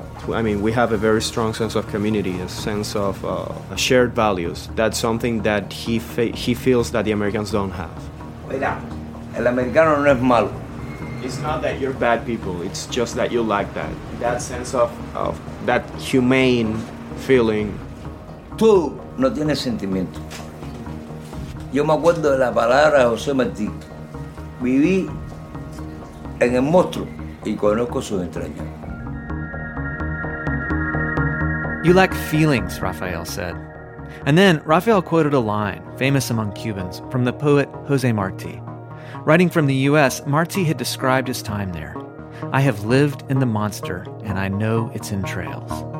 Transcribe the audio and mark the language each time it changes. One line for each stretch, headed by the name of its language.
English: I mean, we have a very strong sense of community, a sense of shared values. That's something that he feels that the Americans don't have.
Spanish: El americano no es malo.
English: It's not that you're bad people. It's just that you like that. That sense of that humane feeling.
Spanish: Tú no tienes sentimiento. Yo me acuerdo de la palabra de José Martí. Viví en el monstruo y conozco sus entrañas.
English: You lack feelings, Rafael said. And then Rafael quoted a line, famous among Cubans, from the poet José Martí. Writing from the U.S., Martí had described his time there. I have lived in the monster, and I know its entrails.